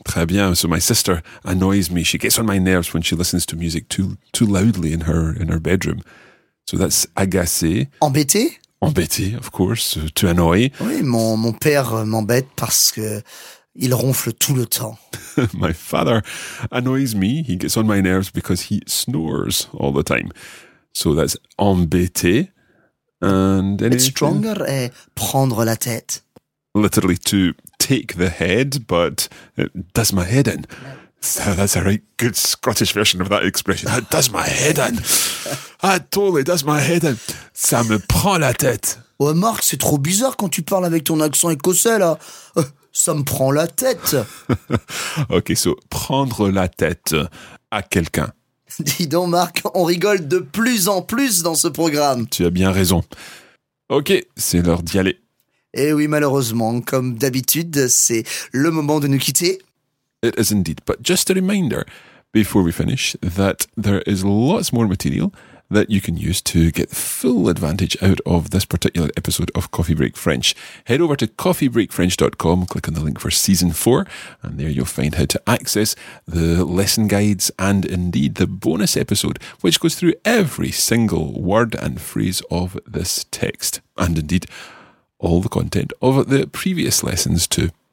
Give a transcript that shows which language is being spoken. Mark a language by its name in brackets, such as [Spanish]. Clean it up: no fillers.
[French] Très bien. [English] So, my sister annoys me. She gets on my nerves when she listens to music too loudly in her bedroom. So, that's agacer. [French] Embêter. [English] Embêter, of course. To annoy. [French] Oui, mon père m'embête parce que il ronfle tout le temps. [English] My father annoys me. He gets on my nerves because he snores all the time. So, that's embêter. And it's stronger, [French] prendre la tête. [English] Literally to take the head, but it does my head in. So that's a right good Scottish version of that expression. That does my head in. That totally does my head in. [French] Ça me prend la tête. Ouais, Marc, c'est trop bizarre quand tu parles avec ton accent écossais, là. Ça me prend la tête. [English] Ok, so [French] prendre la tête à quelqu'un. Dis donc, Marc, on rigole de plus en plus dans ce programme. Tu as bien raison. Ok, c'est l'heure d'y aller. Eh oui, malheureusement, comme d'habitude, c'est le moment de nous quitter. [English] It is indeed. But just a reminder, before we finish, that there is lots more material that you can use to get full advantage out of this particular episode of Coffee Break French. Head over to coffeebreakfrench.com, click on the link for season 4, and there you'll find how to access the lesson guides and indeed the bonus episode, which goes through every single word and phrase of this text, and indeed all the content of the previous lessons too.